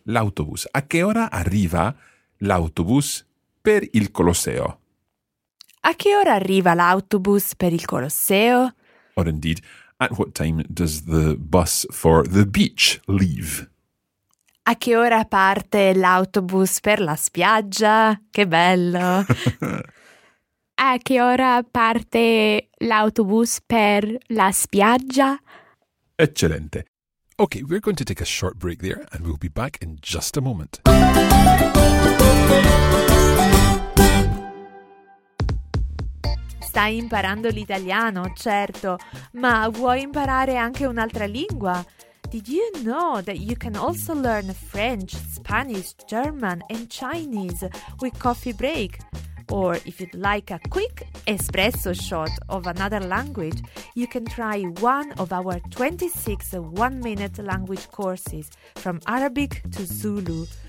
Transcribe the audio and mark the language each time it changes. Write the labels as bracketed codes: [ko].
[it] L'autobus. A che ora arriva l'autobus per il Colosseo? A che ora arriva l'autobus per il Colosseo? [en] Or indeed, at what time does the bus for the beach leave? [it] A che ora parte l'autobus per la spiaggia? Che bello! A che ora parte l'autobus per la spiaggia? Eccellente! [en] Okay, we're going to take a short break there and we'll be back in just a moment. [it] Stai imparando l'italiano, certo, ma vuoi imparare anche un'altra lingua? [en] Did you know that you can also learn French, Spanish, German and Chinese with Coffee Break? Or if you'd like a quick espresso shot of another language, you can try one of our 26 one-minute language courses from Arabic to Zulu.